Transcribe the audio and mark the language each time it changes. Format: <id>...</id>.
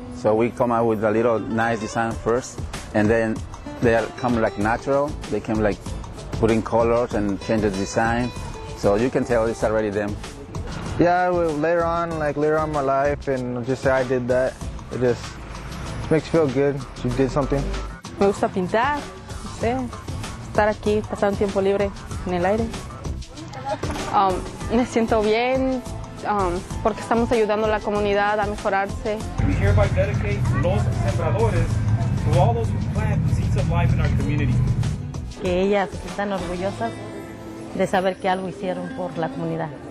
<en>So we come out with a little nice design first, and then they come like natural. They came like putting colors and change the design. So you can tell it's already them. Yeah, later on in my life, and just say I did that, it just makes you feel good you did something.</en> <es>Me gusta pintar, estar aquí, pasar un tiempo libre en el aire. Me siento bien. Porque estamos ayudando a la comunidad a mejorarse.</es> <en>We hereby dedicate los sembradores to all those who plant the seeds of life in our community.</en> <es>Que ellas se sientan orgullosas de saber que algo hicieron por la comunidad.</es>